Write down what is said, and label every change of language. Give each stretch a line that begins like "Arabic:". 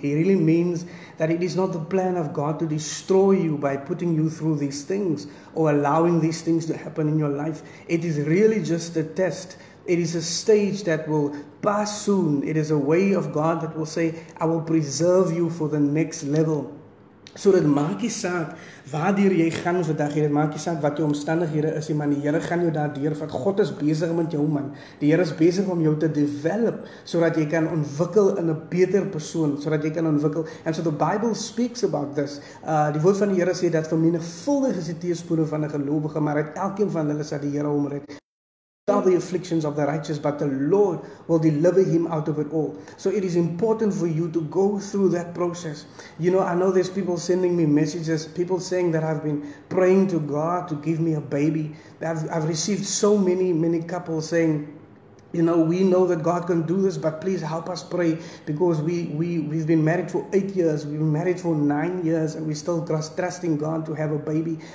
English: He really means that it is not the plan of God to destroy you by putting you through these things or allowing these things to happen in your life. It is really just a test. It is a stage that will pass soon. It is a way of God that will say, "I will preserve you for the next level."
Afrikaans: So dit maak nie saak waardeur jy gaan vandag hier, dit maak nie saak wat jou omstandighede is nie, maar die Here gaan jou daardeur vat. God is besig met jou, man. Die Here is besig om jou te develop sodat jy kan ontwikkel in 'n beter persoon, sodat jy kan ontwikkel.
English: And so the Bible speaks about this.
Afrikaans: Die woord van die Here sê dat vermenigvuldig is die teëspoede van 'n gelowige, maar uit elkeen van hulle sal die Here hom red.
English: All the afflictions of the righteous, but the Lord will deliver him out of it all. So it is important for you to go through that process. You know, I know there's people sending me messages, people saying that I've been praying to God to give me a baby. I've received so many, many couples saying, "You know, we know that God can do this, but please help us pray, because we've been married for 8 years, we've been married for 9 years, and we're still trusting God to have a baby."